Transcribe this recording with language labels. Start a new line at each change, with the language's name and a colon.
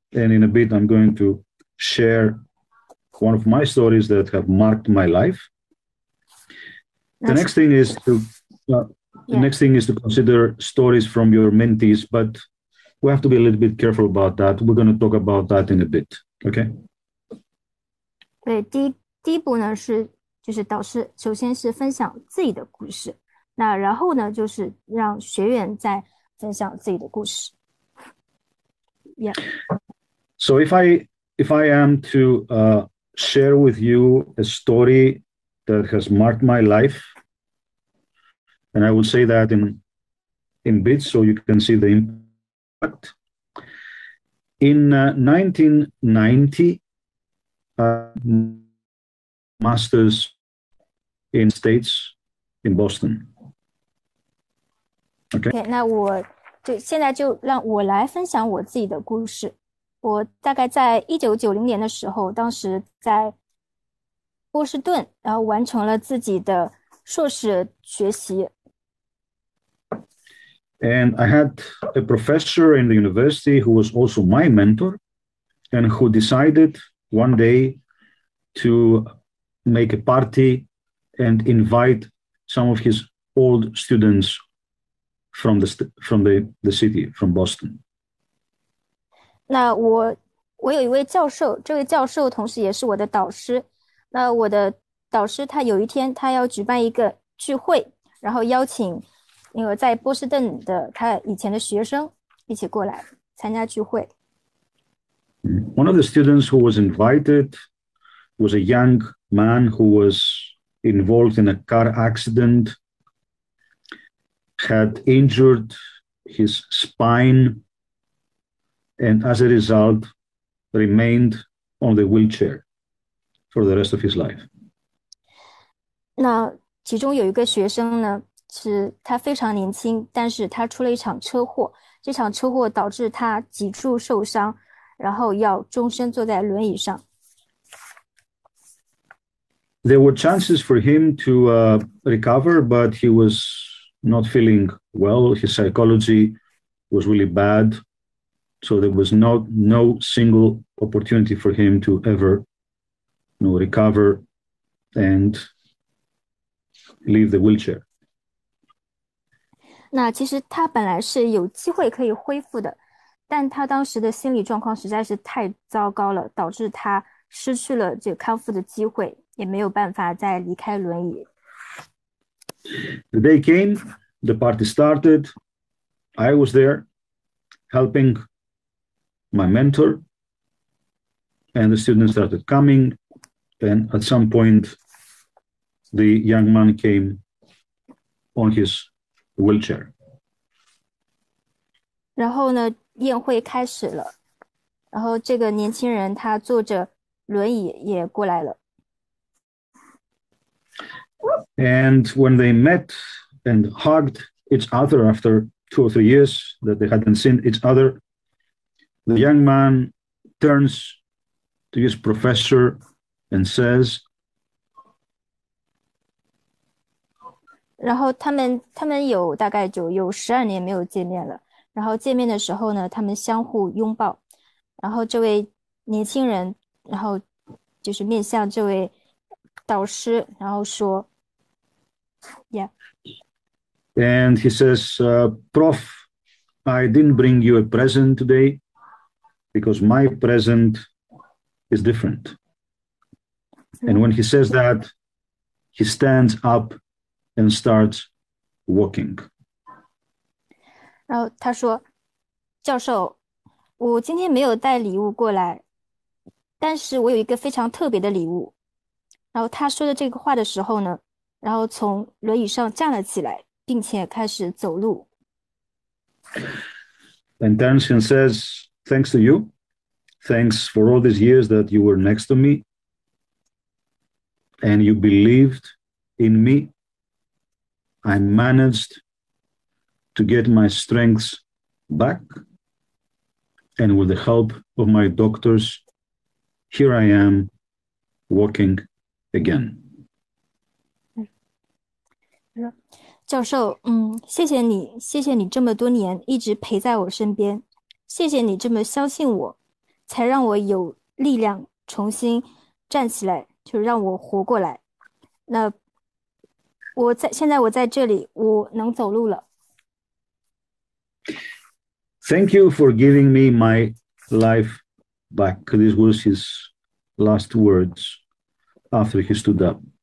English: And in a bit, I'm going to share one of my stories that have marked my life. The next thing is to consider stories from your mentees, but we have to be a little bit careful about that. We're going to talk about that in a bit, okay?
Chinese: 对，第一步呢是。就是导师首先是分享自己的故事，那然后呢，就是让学员再分享自己的故事。
English: So if I am to share with you a story that has marked my life, and I will say that in bits so you can see the impact. In 1990, master's in States in Boston. Okay.
Chinese: OK，那我就现在就让我来分享我自己的故事。我大概在1990年的时候，当时在波士顿，然后完成了自己的硕士学习。
English: And I had a professor in the university who was also my mentor and who decided one day to make a party and invite some of his old students from the city, from Boston.
Chinese: 那我有一位教授，这位教授同时也是我的导师。那我的导师他有一天他要举办一个聚会，然后邀请那个在波士顿的他以前的学生一起过来参加聚会。
English: One of the students who was invited was a young man who was involved in a car accident, had injured his spine, and as a result, remained on the wheelchair for the rest of his life.
Chinese: 那其中有一个学生呢，是他非常年轻，但是他出了一场车祸，这场车祸导致他脊柱受伤，然后要终身坐在轮椅上。
English: There were chances for him to recover, but he was not feeling well. His psychology was really bad, so there was no single opportunity for him to ever, recover and leave the wheelchair.
Chinese: 那其实他本来是有机会可以恢复的，但他当时的心理状况实在是太糟糕了，导致他失去了这个康复的机会，也没有办法再离开轮椅。
English: The day came, the party started. I was there helping my mentor, and the students started coming. And at some point, the young man came on his wheelchair.
Chinese: 然后呢，宴会开始了，然后这个年轻人他坐着轮椅也过来了。
English: And when they met and hugged each other after 2 or 3 years that they hadn't seen each other, the young man turns to his professor and says,
Chinese: 然后他们有大概有12年没有见面了。然后见面的时候呢，他们相互拥抱，然后这位年轻人，然后就是面向这位导师，然后说："
English: And he says, Prof, I didn't bring you a present today because my present is different. And when he says that, he stands up and starts walking.
Chinese: ”然后他说。教授，我今天没有带礼物过来，但是我有一个非常特别的礼物。然后他说的这个话的时候呢，然后从轮椅上站了起来，并且开始走路。
English: And Tenzin says, thanks to you. Thanks for all these years that you were next to me and you believed in me. I managed to get my strengths back. And with the help of my doctors, here I am walking again.
Chinese: 教授，谢谢你，谢谢你这么多年一直陪在我身边，谢谢你这么相信我，才让我有力量重新站起来，就让我活过来。那现在我在这里，我能走路了。
English: Thank you for giving me my life back. This was his last words after he stood up.